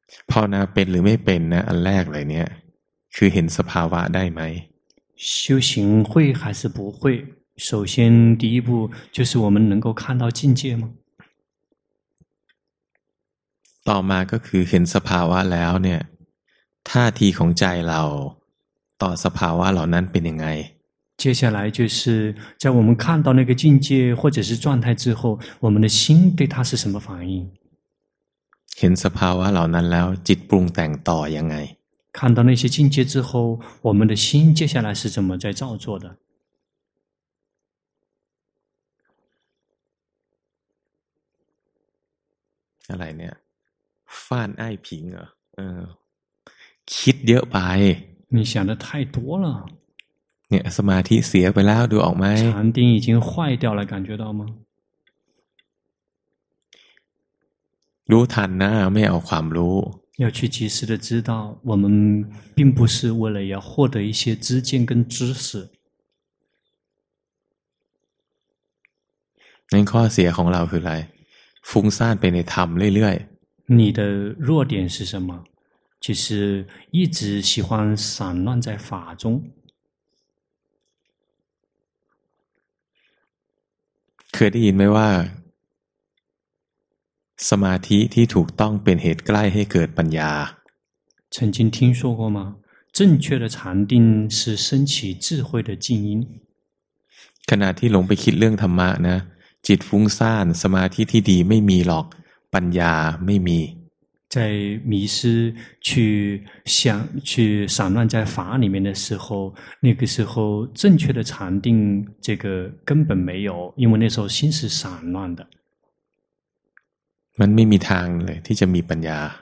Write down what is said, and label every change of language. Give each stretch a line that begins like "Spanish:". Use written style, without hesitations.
Thai: ภาวนาเป็นหรือไม่เป็นนะอันแรกเลยเนี่ยคือเห็นสภาวะได้ไหม
Chinese: 修行会还是不会首先第一步就是我们能够看到境界吗
Thai: ต่อมาก็คือเห็นสภาวะแล้วเนี่ยท่าทีของใจเราต่อสภาวะเหล่านั้นเป็นยังไง
Chinese: 接下来就是在我们看到那个境界或者是状态之后我们的心对它是什么反应
Thai: เห็นสภาวะเหล่านั้นแล้วจิตปรุงแต่งต่อยังไง
Chinese: 看到那些境界之后我们的心接下来是怎么在造作的
Thai: อะไรเนี่ยฟ่านไอ้ผิงเหรอคิดเยอะไป
Chinese: 你想的太多了
Thai: เนี่ยสมาธิเสียไปแล้วดูออกไหม
Chinese: 禅定已经坏掉了感觉到吗
Thai: รู้ทันนะไม่เอาความรู้
Chinese: 要去及时的知道我们并不是为了要获得一些知见跟知识
Thai: นั่นข้อเสียของเราคืออะไรฟุ้งซ่านไปในธรรมเรื่อยๆ
Chinese: 你的弱点是什么？就是一直喜欢散乱在法中。
Thai: เคยได้ยินไหมว่าสมาธิที่ถูกต้องเป็นเหตุใกล้ให้เกิดปัญญา
Chinese: 曾经听说过吗？正确的禅定是升起智慧的静音。
Thai: ขณะที่หลงไปคิดเรื่องธรรมะนะจิตฟุ้งซ่านสมาธิที่ดีไม่มีหรอกปัญญาไม่มี
Chinese: 在迷失去想去散乱在法里面的时候那个时候正确的禅定这个根本没有因为那时候心是散乱的
Thai: มันไม่มีทางเลยที่จะมีปัญญา